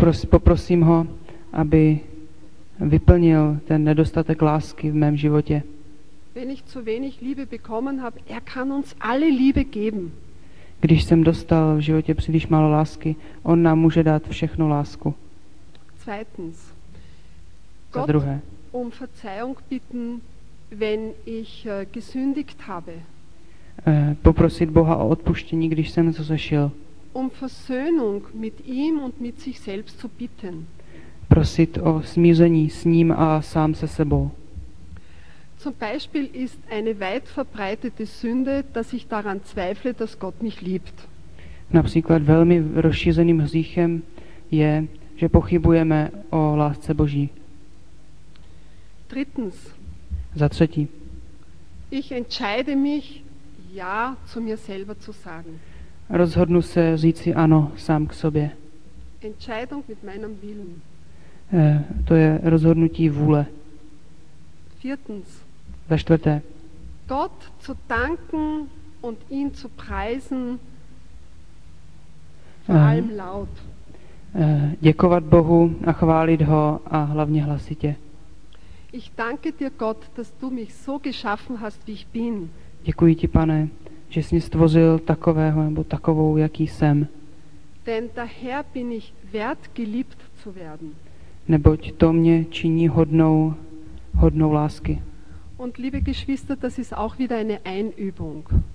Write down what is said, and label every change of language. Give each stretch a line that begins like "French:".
Czech: Poprosím ho, aby vyplnil ten nedostatek lásky v mém životě.
German: Wenn ich zu wenig Liebe bekommen habe, er kann uns alle Liebe geben.
Czech: Když jsem dostal v životě příliš málo lásky, on nám může dát všechnu lásku.
German: Zweitens.
Czech: Za druhé.
German: Um Verzeihung bitten, wenn ich gesündigt habe.
Czech: Poprosit Boha o odpuštění, když jsem zřešil.
German: Um Versöhnung mit ihm und mit sich selbst zu bitten.
Czech: Prosit o smíření s ním a sám se sebou.
German: Zum Beispiel ist eine weit verbreitete Sünde, dass ich daran zweifle, dass Gott mich liebt.
Czech: Například velmi rozšířeným hříchem je, že pochybujeme o lásce Boží.
German: Drittens.
Czech: Za třetí.
German: Ich entscheide mich, ja zu mir selber zu sagen.
Czech: Rozhodnu se říci ano sám k sobě.
German: Entscheidung mit meinem Willen.
Czech: To je rozhodnutí vůle.
German: Viertens.
Czech: Za čtvrté.
German: Gott zu danken und ihn zu preisen. Vor allem laut.
Czech: Děkovat Bohu a chválit ho a hlavně hlasitě.
German: Ich danke dir, Gott, dass du mich so geschaffen hast, wie ich bin.
Czech: Děkuji ti, Pane, že jsi mě stvořil takového nebo takovou, jaký jsem.
German: Denn daher bin ich wert, geliebt zu werden.
Czech: Neboť to mě činí hodnou lásky.
German: Und liebe Geschwister, das ist auch wieder eine Einübung.